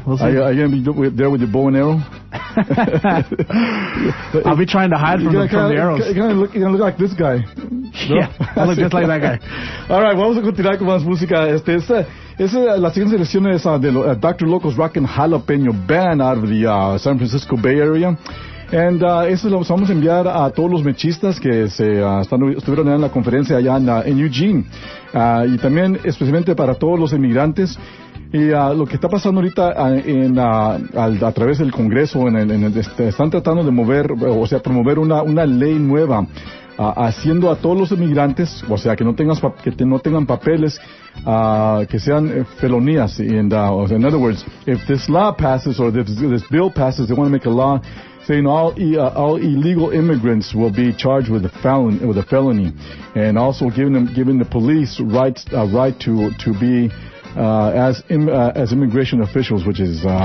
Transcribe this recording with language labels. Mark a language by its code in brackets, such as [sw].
[en] Are you there with your bow and arrow? I'll be trying to hide from the arrows. You're gonna look like this guy. Yeah, I look just like that guy. All right, [es] vamos a continuar con más música. Esa la siguiente selección es de Dr. [en] Loco's Rockin' Jalapeño Band out of the San Francisco Bay Area. [es] And eso lo vamos a enviar a todos los mechistas que estuvieron en la conferencia allá en Eugene. Y también especialmente para todos los inmigrantes. Y lo que está pasando ahorita a través del Congreso, están tratando de mover, o sea, promover una ley nueva, haciendo a todos los inmigrantes, o sea, que no tengan papeles, que sean felonías. [en] And, in other words, if this law passes or this bill passes, they want to make a law saying all illegal immigrants will be charged with a felony, and also giving the police right to be as immigration officials, which is